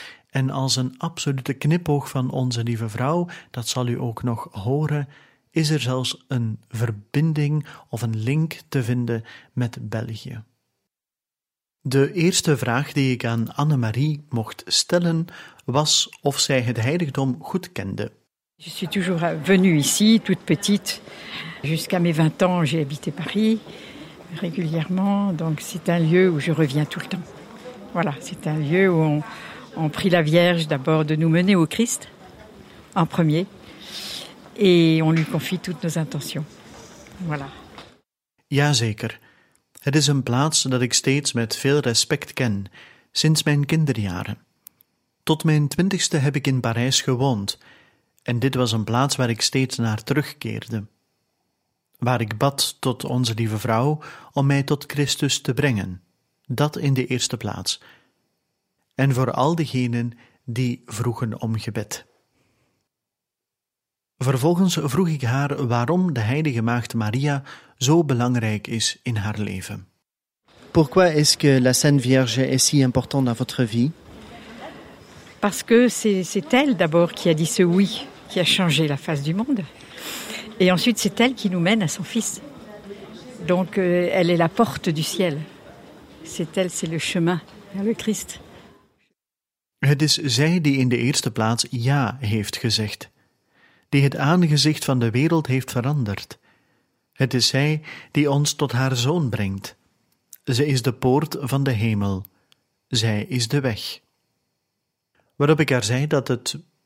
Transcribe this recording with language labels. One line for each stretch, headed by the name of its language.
Dutch: En als een absolute knipoog van onze lieve vrouw, dat zal u ook nog horen, is er zelfs een verbinding of een link te vinden met België. De eerste vraag die ik aan Anne-Marie mocht stellen, was of zij het heiligdom goed kende.
French: Je suis toujours venue ici, toute petite. Jusqu'à mes 20 ans, j'ai habité Paris régulièrement. Donc c'est un lieu où je reviens tout le temps. Voilà, c'est un lieu où on... On prie la Vierge d'abord de nous mener au Christ, en premier, et on lui confie toutes nos intentions. Voilà.
Dutch: Jazeker. Het is een plaats dat ik steeds met veel respect ken, sinds mijn kinderjaren. Tot mijn 20ste heb ik in Parijs gewoond, en dit was een plaats waar ik steeds naar terugkeerde. Waar ik bad tot onze lieve vrouw om mij tot Christus te brengen. Dat in de eerste plaats. En voor al diegenen die vroegen om gebed. Vervolgens vroeg ik haar waarom de heilige maagd Maria zo belangrijk is in haar leven.
French: Pourquoi est-ce que la Sainte Vierge est si importante dans votre vie? Parce que c'est elle d'abord qui a dit ce oui, qui a changé la face du monde. Et ensuite c'est elle qui nous mène à son fils. Donc elle est la porte du ciel. C'est elle, c'est le chemin vers le Christ.
Dutch: Het is zij die in de eerste plaats ja heeft gezegd, die het aangezicht van de wereld heeft veranderd. Het is zij die ons tot haar zoon brengt. Ze is de poort van de hemel. Zij is de weg. Waarop ik haar zei dat het